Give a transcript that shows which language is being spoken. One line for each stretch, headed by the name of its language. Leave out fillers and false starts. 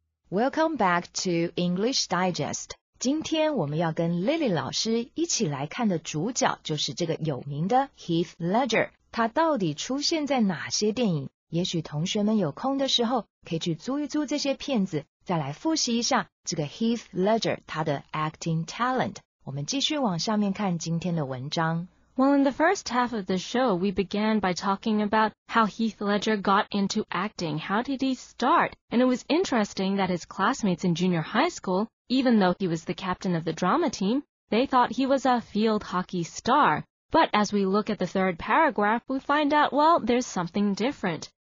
English: Welcome back to English Digest.
Chinese: 今天我们要跟 Lily 老师一起来看的主角就是这个有名的 Heath Ledger， 他到底出现在哪些电影？也许同学们有空的时候可以去租一租这些片子，再来复习一下这个 Heath Ledger 他的
English: acting talent。
Chinese: 我们继续往下面看今天的文章。
English: Well, in the first half of the show, we began by talking about how Heath Ledger got into acting. How did he start? And it was interesting that his classmates in junior high school, even though he was the captain of the drama team, they thought he was a field hockey star. But as we look at the third paragraph, we find out, well, there's something different.